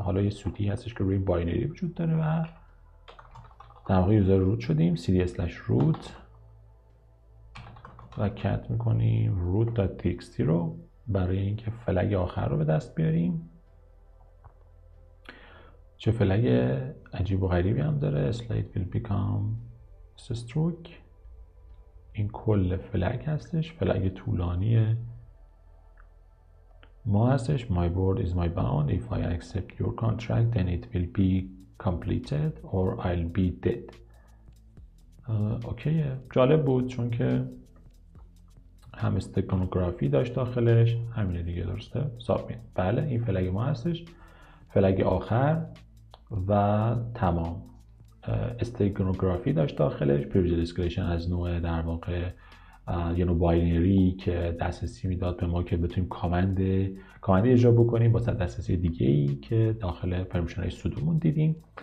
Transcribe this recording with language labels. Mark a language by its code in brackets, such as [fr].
[fa] حالا یه سوتی هستش که روی باینری وجود داره و در واقع یوزر روت شدیم، cd/root و کت میکنیم root.txt رو برای اینکه فلگ آخر رو به دست بیاریم. چه فلگ عجیب و غریبی هم داره، [en] slide will become stroke. [fa] این کل فلگ هستش، فلگ طولانیه ما هستش. [en] my word is my bond, if I accept your contract then it will be completed or I'll be dead. [fa] اوکیه، جالب بود چون که هم استکنوگرافی داشت داخلش، همینه دیگه، درسته؟ submit. بله، این فلگ ما هستش، فلگ آخر و تمام. استگنوگرافی داشت داخلش، پریویژن دیسکریشن از نوع در واقع یه نوع باینری که دسترسی میداد به ما که بتونیم کامند اجرا بکنیم با صد دسترسی دیگه‌ای که داخل پرمیشن‌های سودومون دیدیم.